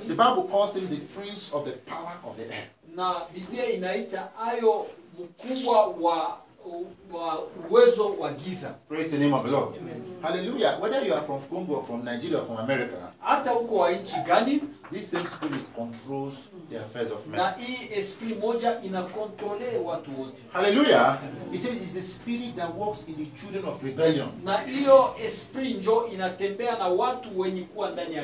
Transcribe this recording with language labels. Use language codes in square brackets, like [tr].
[en] The Bible calls him the prince of the power of the air. [sw] Na Biblia inaita ayo mkubwa wa uwezo wa giza. [en] Praise the name of the Lord. Amen. Hallelujah. Whether you are from Congo or from Nigeria or from America, [sw] hata uko wa nchi gani, [en] this same spirit controls the affairs of men. [sw] Na hii esprit moja ina kontrole watu wote. [en] Hallelujah. He says it's the spirit that works in the children of rebellion. [sw] Na hiyo esprit njo inatembea na watu wenye kuwa ndani ya.